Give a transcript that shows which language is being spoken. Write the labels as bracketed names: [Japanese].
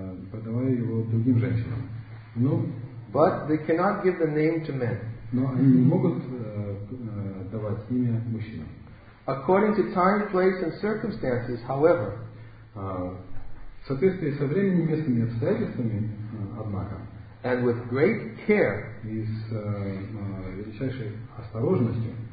[Russian] Продавая его другим женщинам. Но, [English] but they cannot give the name to men. [Russian] Но они не могут давать имя мужчинам. [English] According to time, place, and circumstances, however, [Russian] в соответствии со временем, местными обстоятельствами, однако, [English] and with great care, [Russian] и с величайшей осторожностью,